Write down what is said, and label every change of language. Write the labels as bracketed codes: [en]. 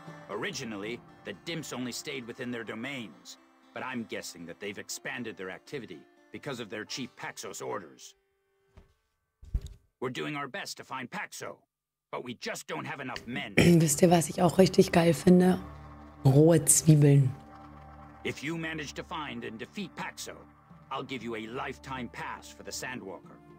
[en] Originally, the dimps only stayed within their domains, but I'm guessing that they've expanded their activity because of their Chief Paxos orders. We're doing our best to find Paxo, but we just don't have enough men. [de] Wisst ihr, was ich auch richtig geil finde? Rohe Zwiebeln. [en] If you manage to find and defeat Paxo, I'll give you a lifetime pass for the Sandwalker.